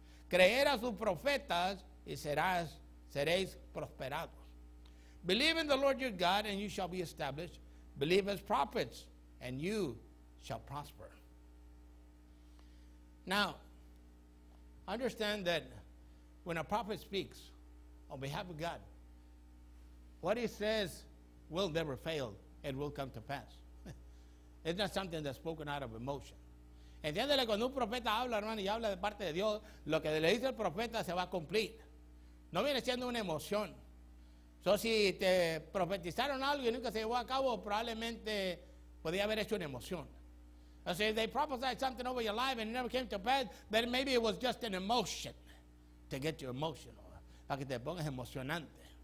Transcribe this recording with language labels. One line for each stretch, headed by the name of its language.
Spanish: Creer a sus profetas y seréis prosperados.
English: Believe in the Lord your God and you shall be established. Believe his prophets and you shall prosper. Now, understand that when a prophet speaks on behalf of God, what he says will never fail. It will come to pass. It's not something that's spoken out of emotion.
Spanish: Entiéndele, cuando un profeta habla, hermano, y habla de parte de Dios, lo que le dice el profeta se va a cumplir. No viene siendo una emoción. So, si te profetizaron algo y nunca se llevó a cabo, probablemente podía haber hecho una emoción.
English: I say, if they prophesied something over your life and it never came to pass, then maybe it was just an emotion to get you emotional.
Spanish: Para que te pongas emocionante.